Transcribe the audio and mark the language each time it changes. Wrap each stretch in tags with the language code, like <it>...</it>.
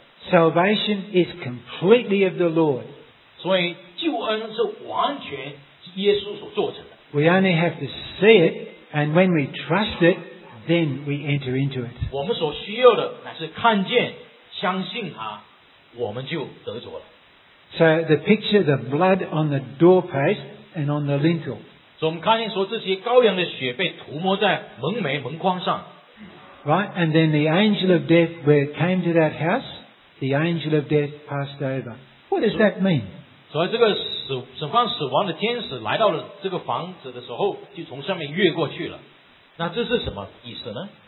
<en>Salvation is completely of the Lord. We only have to see it, and when we trust it, then we enter into it.</en> <zh>相信他，我们就得着了。So</zh> <en>the picture, the blood on the doorpost and on the lintel.</en> <zh>所以我们看见说，这些羔羊的血被涂抹在门楣门框上。Right,</zh> <en>and then the angel of death, when it came to that house, the angel of death passed over. What does that mean?</en> <zh>所以这个死亡的天使来到了这个房子的时候，就从上面越过去了。那这是什么意思呢？</zh>